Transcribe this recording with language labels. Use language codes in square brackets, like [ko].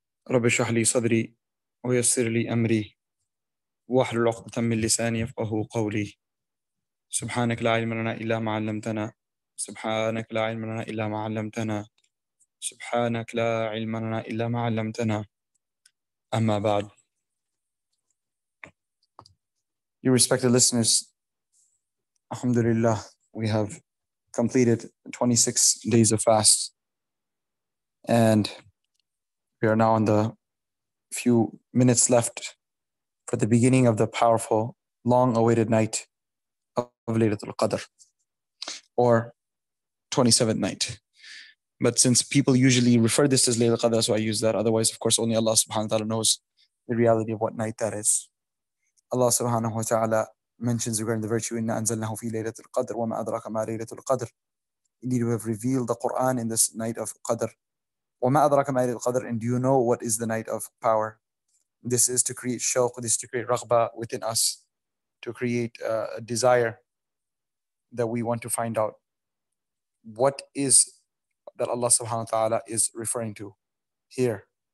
[ar] رب اشرح لي صدري ويسر لي أمري واحلل عقدة من لساني يفقهوا قولي. سبحانك لا علم لنا إلا ما علمتنا سبحانك لا علم لنا إلا ما علمتنا سبحانك لا علم لنا إلا ما علمتنا أما بعد. [en] Your respected listeners, alhamdulillah, we have completed 26 days of fast and we are now in the few minutes left for the beginning of the powerful, long-awaited night of Laylatul Qadr, or 27th night. But since people usually refer this as Laylatul Qadr, so I use that. Otherwise, of course, only Allah subhanahu wa ta'ala knows the reality of what night that is. Allah subhanahu wa ta'ala mentions regarding the virtue, [ar] إِنَّا أَنزَلْنَاهُ فِي لَيْلَةِ الْقَدْرِ وَمَا أَدْرَكَ مَا لَيْلَةُ الْقَدْرِ. [en] Indeed, we have revealed the Qur'an in this night of Qadr. [ar] وَمَا أَدْرَكَ مَا لَيْلَةُ الْقَدْرِ. [en] And do you know what is the night of power? This is to create shawq, this is to create raghba within us, to create a desire that we want to find out what is that Allah subhanahu wa ta'ala is referring to here.